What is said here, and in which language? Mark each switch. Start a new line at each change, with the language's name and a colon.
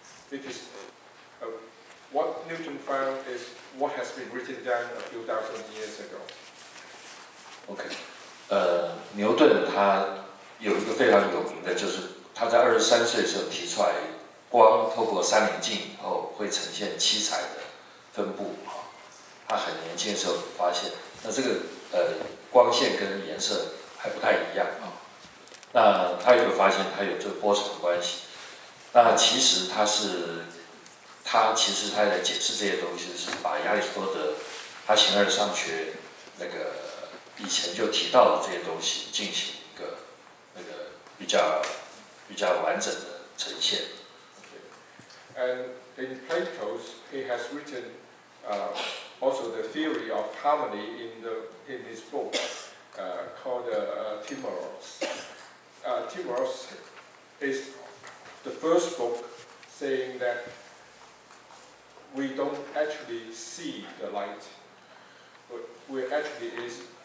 English: It is what Newton found is what has been written down a few thousand years ago. Okay.
Chinese: 牛顿他有一个非常有名的，就是他在23岁的时候提出来，光透过三棱镜以后会呈现七彩的分布啊。他很年轻的时候发现，那这个光线跟颜色还不太一样啊。那他也会发现他有这个波长关系。那其实他在解释这些东西，是把亚里士多德他形而上学那个。以前就提到了这些东西，进行一个那个比较完整的呈现。
English: Okay. And in Plato, he has written also the theory of harmony in his book called Timaeus. Timaeus is the first book saying that we don't actually see the light, but we actually is.